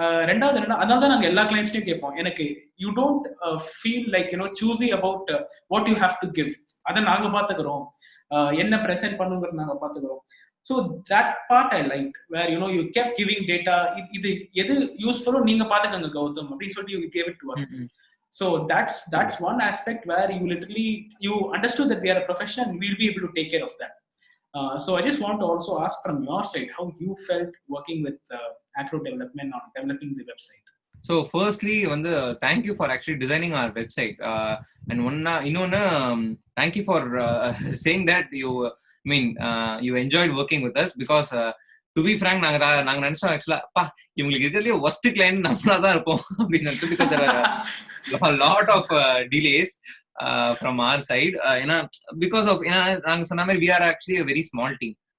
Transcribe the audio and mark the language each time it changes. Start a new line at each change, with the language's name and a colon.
Tamil: ரெண்டாவது என்ன, அதனால நாங்க எல்லா கிளைண்ட்ஸ்டையும் கேட்போம், எனக்கு
English: you don't feel like you know choosy about what you have to give,
Tamil: அதை நாங்க பாத்துக்கிறோம், என்ன ப்ரெசென்ட் பண்ணுங்கிறது நாங்க பாத்துக்கிறோம்.
English: so that part I like where you know you keep giving data,
Tamil: இது எது யூஸ்ஃபுல்லோ நீங்க பாத்துக்கங்க கௌதம் அப்படின்னு சொல்லிட்டு
English: You gave it to us. So that's one aspect where you literally, you understood that we are a profession, we'll be able to take care of that. So I just want to also ask from your side, how you felt working with Acro Development on developing the website. So firstly, Vandha, thank you for actually designing our website. And one, you know, thank you for saying that you enjoyed working with us, because to be frank,
Tamil: நாங்க நினைச்சோம்
English: actually,
Tamil: பா இவங்களுக்கு இதுலயே worst client நம்மளா தான் இருப்போம் அப்படின்னு நினைச்சோம்.
English: A lot of delays from our side, because of,
Tamil: நாங்க சொன்ன மாதிரி
English: we are actually a very small team.